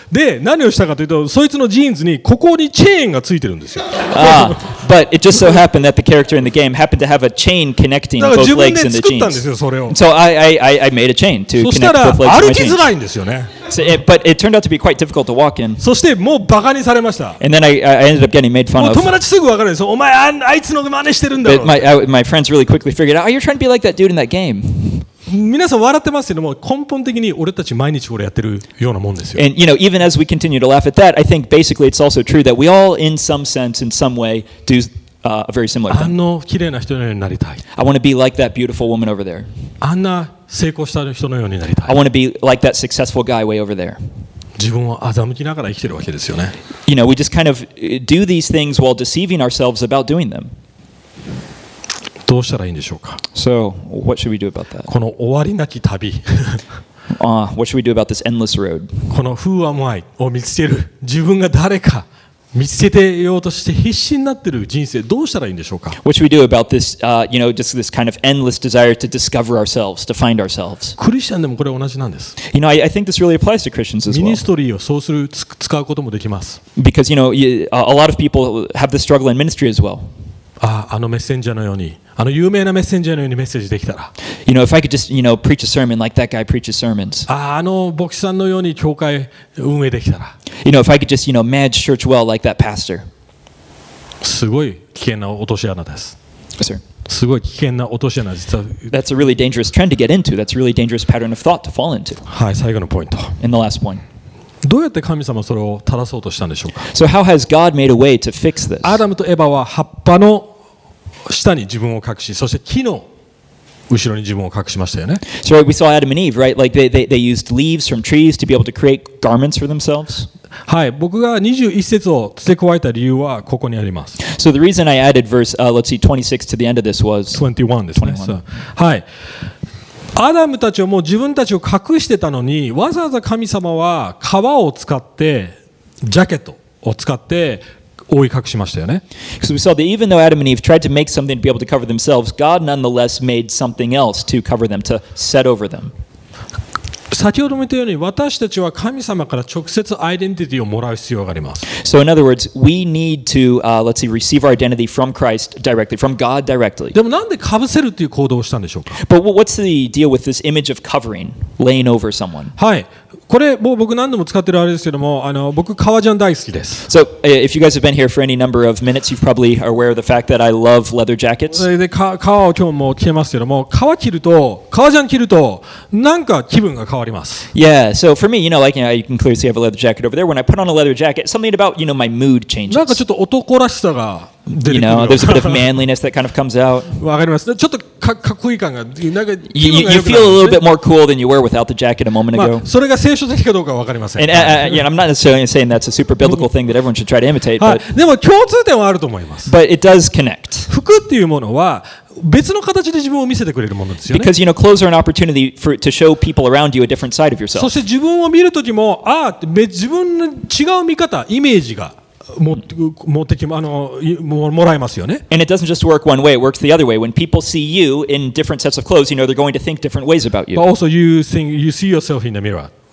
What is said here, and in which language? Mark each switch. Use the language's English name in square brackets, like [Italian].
[Japanese] で、何をしたかというと、そいつのジーンズにここにチェーンがついてるんですよ。 [English] But it just so happened that the character in the game happened to have a chain connecting both legs and the jeans. [Japanese] だから自分で作ったんですよ、それを。 [English] So I made a chain to connect both legs and the jeans. [Japanese] そしたら歩きづらいんですよね。 [English] But it turned out to be quite difficult to walk in. [Japanese] そしてもうバカにされました。 [English] And then I ended up getting made fun of. [Japanese] もう友達すぐ分かるんですよ。お前あいつの真似してるんだろ。 [English] My friends really quickly figured out, oh, you're trying to be like that dude in that game. [Japanese] 皆さん笑ってますけども、根本的に俺たち毎日これやってるようなもんですよ。 [English] And you know, even as we continue to laugh at that, I think basically it's also true that we all, in some sense, in some way, do a very similar thing. [Japanese] あの綺麗な人のようになりたい。 [English] I want to be like that beautiful woman over there. [Japanese] あんな成功した人のようになりたい。 [English] I want to be like that successful guy way over there. [Japanese] 自分を欺きながら生きてるわけですよね。 [English] You know, we just kind of do these things while deceiving ourselves about doing them. [Japanese] どうしたらいいんでしょうか。 [English] So, what should we do about that? [Japanese] この終わりなき旅。 [English] what should we do about this endless road? [Japanese] この [English] Who am I? [Japanese] を見つける自分が誰か。見つけてようとして必死になってる人生どうしたらいいんでしょうか。 [English] What should we do about this, you know, just this kind of endless desire to discover ourselves, to find ourselves? [Japanese] クリスチャンでもこれ同じなんです。 [English] You know, I think this really applies to Christians as well. [Japanese] ミニストリーをそうする使うこともできます。 [English] Because you know, a lot of people have the struggle in ministry as well. [Japanese] あのメッセンジャーのように、あの有名なメッセンジャーのようにメッセージできたら。 [English] You know, if I could just, you know, preach a sermon like that guy preaches sermons. [Japanese] あの牧師さんのように教会運営できたら。 [English] You know, if I could just, you know, manage church well like that pastor. [Japanese] すごい危険な落とし穴です。 [English] Sir. [Japanese] すごい危険な落とし穴です。 [English] That's a really dangerous trend to get into. That's a really dangerous pattern of thought to fall into. [Japanese] はい、最後のポイント。 [English] And the last point. [Japanese] どうやって神様はそれを正そうとしたんでしょうか。 [English] So how has God made a way to fix this? [Japanese] アダムとエバは葉っぱの下に自分を隠し、そして木の後ろに自分を隠しましたよね。 [English] So we saw Adam and Eve, right? Like they used leaves from trees to be able to create garments for themselves. [Japanese] はい、僕が21節を付け加えた理由はここにあります。 [English] So the reason I added verse, let's see, 26 to the end of this was [Japanese] 21ですね。So, はい。アダムたちはもう自分たちを隠してたのに、わざわざ神様は皮を使って、ジャケットを使って覆い隠しましたよね。 [English] So we saw that even though Adam and Eve tried to make something to be able to cover themselves, God nonetheless made something else to cover them, to set over them. [Japanese] 先ほども言ったように、私たちは神様から直接アイデンティティをもらう必要があります。 [English] So in other words, we need to, let's see, receive our identity from Christ directly, from God directly. [Japanese] でもなんで被せるという行動をしたんでしょうか。 [English] But what's the deal with this image of covering, laying over someone? [Japanese] はい。これもう僕何度も使ってるあれですけども、僕革ジャン大好きです。 [English] So if you guys have been here for any number of minutes, you probably are aware of the fact that I love leather jackets. [Japanese] で革を今日も着てますけども、革ジャン着るとなんか気分が変わります。 [English] Yeah, so for me, you know, like you know, you can clearly see I have a leather jacket over there. When I put on a leather jacket, something about you know my mood changes. [Japanese] なんかちょっと男らしさが [English] You know, there's a bit of manliness that kind of comes out. [Japanese] わかります。ちょっとかっこいい感が、なんか気分が良くなるんですね。 [English] You feel a little bit more cool than you were without the jacket a moment ago. [Japanese] まあ、それが聖書的かどうかわかりません。 [English] And yeah, I'm not necessarily saying that's a super biblical thing that everyone should try to imitate. [Japanese] はい、でも共通点はあると思います。 [English] But it does connect. [Japanese] 服っていうものは別の形で自分を見せてくれるものですよね。 [English] Because you know, clothes are an opportunity for to show people around you a different side of yourself. [Japanese] そして自分を見るときも、ああ、自分の違う見方、イメージが。もらえますよね。 [English] And it doesn't just work one way, it works the other way. When people see you in different sets of clothes, you know, they're going to think different ways about you. But also you think, you see yourself in the mirror.